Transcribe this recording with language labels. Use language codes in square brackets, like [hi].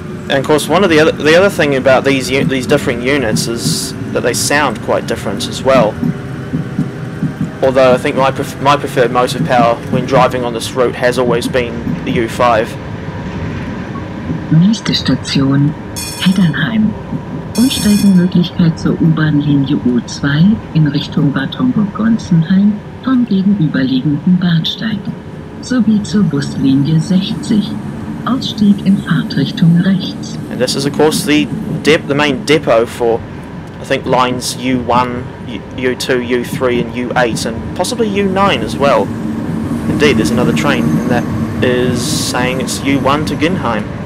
[en] And of course, one of the other thing about these different units is that they sound quite different as well. Although I think my preferred motive power when driving on this route has always been the U5. [de] Nächste Station, Heddernheim. Umsteigemöglichkeit zur U-Bahn-Linie U2 in Richtung Bad Homburg-Gonzenheim vom gegenüberliegenden Bahnsteig sowie zur Buslinie 60. Ausstieg in Fahrtrichtung rechts. [en] And this is of course the main depot for, I think, lines U1, U2, U3 and U8 and possibly U9 as well. Indeed, there's another train that is saying it's U1 to Ginnheim.